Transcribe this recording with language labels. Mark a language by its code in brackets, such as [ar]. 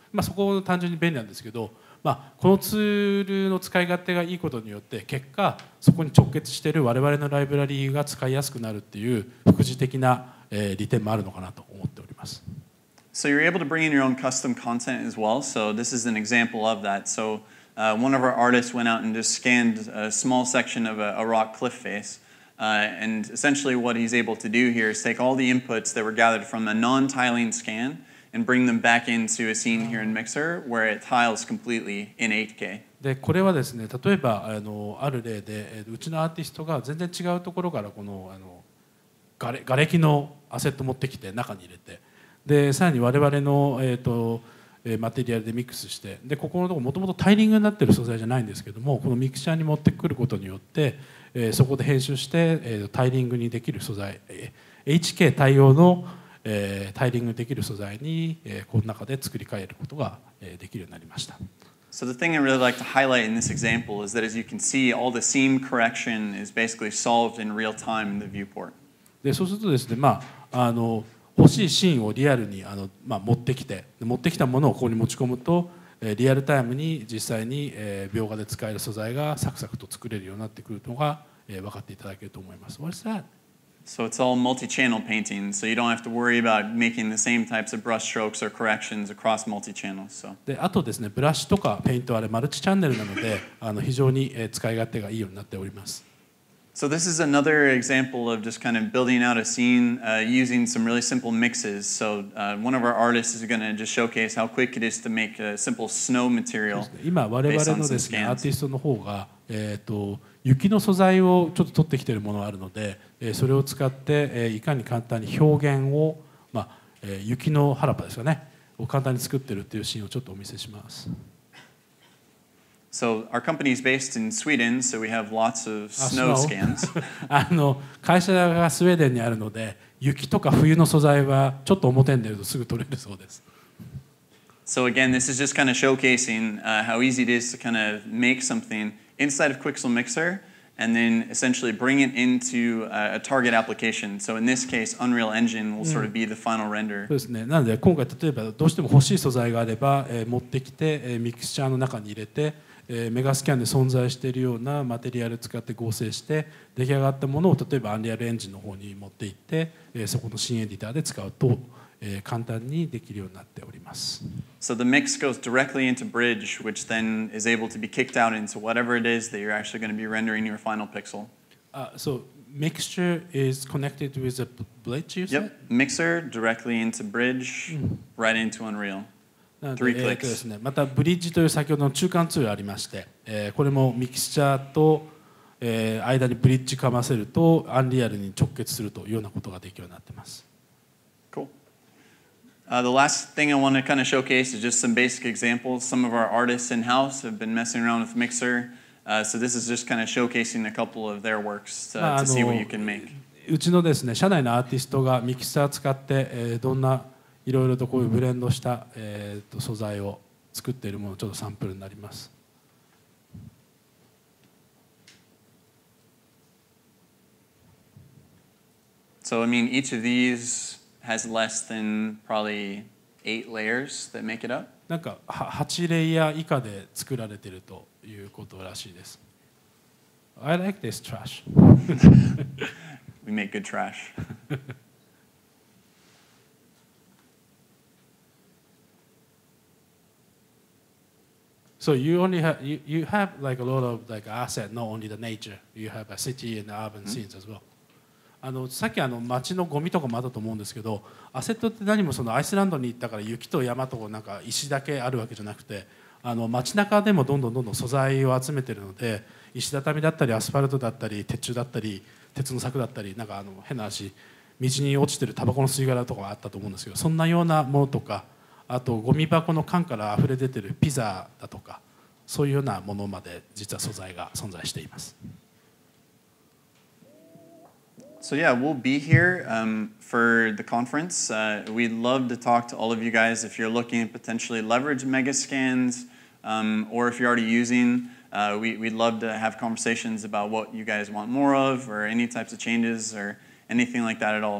[ja] まあ、そこ単純に便利なんですけど、まあ、このツールの使い勝手がいいことによって結果そこに直結している我々のライブラリーが使いやすくなるっていう副次的な、利点もあるのかなと思っております。 [en] So you're able to bring in your own custom content as well. So this is an example of that. So one of our artists went out and just scanned a small section of a rock cliff face. And essentially what he's able to do here is take all the inputs that were gathered from a non-tiling scan. And bring them back into a scene here in Mixer where it tiles completely in 8K. [ja] で、これはですね、例えば、あの、ある例で、うちのアーティストが全然違うところからこの、あの、がれきのアセット持ってきて中に入れて、で、さらに我々の、マテリアルでミックスして、で、ここのところもともとタイリングになってる素材じゃないんですけども、このミクシャーに持ってくることによって、そこで編集して、タイリングにできる素材、HK 対応のタイリングできる素材にこの中で作り変えることができるようになりました。 [en] So the thing I really like to highlight in this example is that as you can see, all the seam correction is basically solved in real time in the viewport. [ja] で、そうするとですね、まあ、あの欲しいシーンをリアルにあの、まあ、持ってきて、持ってきたものをここに持ち込むと、リアルタイムに実際に描画で使える素材がサクサクと作れるようになってくるのが分かっていただけると思います。 [en] What's that? So it's all multi-channel painting, so you don't have to worry about making the same types of brush strokes or corrections across multi-channels. So. [ja] で、あとですね、ブラシとかペイントはあれマルチチャンネルなので、あの非常に使い勝手がいいようになっております。 [en] So this is another example of just kind of building out a scene using some really simple mixes. So one of our artists is going to just showcase how quick it is to make a simple snow material. [ja] 今我々のですね、 [en] based on some scans. [ja] アーティストの方が雪の素材をちょっと取ってきているものがあるので、それを使って、いかに簡単に表現を、まあ、雪の原っぱですかね、を簡単に作っているというシーンをちょっとお見せします。 [en] So, our company is based in Sweden, so we have lots of snow scans. [ja] あの、会社がスウェーデンにあるので、雪とか冬の素材はちょっと表に出るとすぐ取れるそうです。 [en] So, again, this is just kind of showcasing how easy it is to kind of make something. Inside of Quixel Mixer, and then essentially bring it into a target application. So in this case, Unreal Engine will sort of be the final render. [ja] そうですね。なので今回例えばどうしても欲しい素材があれば、持ってきて、ミキシャーの中に入れて、メガスキャンで存在しているようなマテリアルを使って合成して、出来上がったものを例えば Unreal Engine の方に持って行って、そこのシーンエディターで使うと、簡単にできるようになっております。 [en] So the mix goes directly into Bridge, which then is able to be kicked out into whatever it is that you're actually going to be rendering your final pixel. So mixture is connected with a bridge, you said? Yep, mixer directly into Bridge, right into Unreal. Three clicks. [ja] ですね。またブリッジという先ほどの中間ツールありまして、これもミキスチャーと、間にブリッジかませると、アンリアルに直結するというようなことができるようになっています。 [en] The last thing I want to kind of showcase is just some basic examples. Some of our artists in-house have been messing around with Mixer. So this is just kind of showcasing a couple of their works to see what you can make. [ja] うちのですね、社内のアーティストがミキサー使って、どんないろいろとこういうブレンドした、素材を作っているもの、ちょっとサンプルになります。 [en] So, I mean, each of these... has less than probably eight layers that make it up. [ja] なんか8レイヤー以下で作られているということらしいです。 [en] I like this trash. We make good trash. So you only have you have like a lot of like asset, not only the nature. You have a city and urban scenes as well. [ja] あのさっきあの街のゴミとかもあったと思うんですけど、アセットって何もそのアイスランドに行ったから雪と山とか石だけあるわけじゃなくて、あの街中でもどんどん素材を集めているので、石畳だったりアスファルトだったり鉄柱だったり鉄の柵だったり、なんかあの変な足道に落ちてるタバコの吸い殻とかあったと思うんですけど、そんなようなものとか、あとゴミ箱の缶から溢れ出てるピザだとか、そういうようなものまで実は素材が存在しています。 [en] So yeah, we'll be here for the conference. We'd love to talk to all of you guys if you're looking to potentially leverage Megascans, or if you're already using. We'd love to have conversations about what you guys want more of, or any types of changes, or anything like that at all.